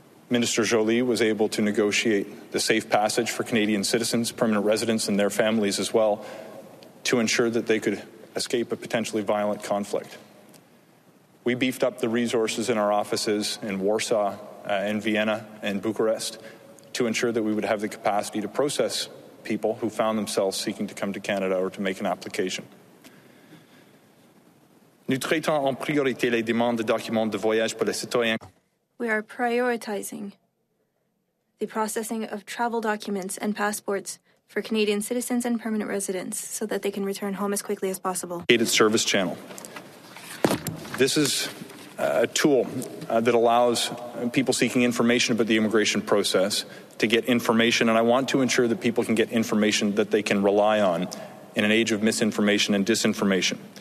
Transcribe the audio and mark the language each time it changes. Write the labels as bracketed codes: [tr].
[en] Minister Joly was able to negotiate the safe passage for Canadian citizens, permanent residents, and their families as well, to ensure that they could escape a potentially violent conflict. We beefed up the resources in our offices in Warsaw, in Vienna and Bucharest to ensure that we would have the capacity to process people who found themselves seeking to come to Canada or to make an application. [fr] Nous traitons en priorité les demandes de documents de voyage pour les citoyens. [en] We are prioritizing the processing of travel documents and passports for Canadian citizens and permanent residents so that they can return home as quickly as possible. Gated service channel. This is a tool that allows people seeking information about the immigration process to get information, and I want to ensure that people can get information that they can rely on in an age of misinformation and disinformation.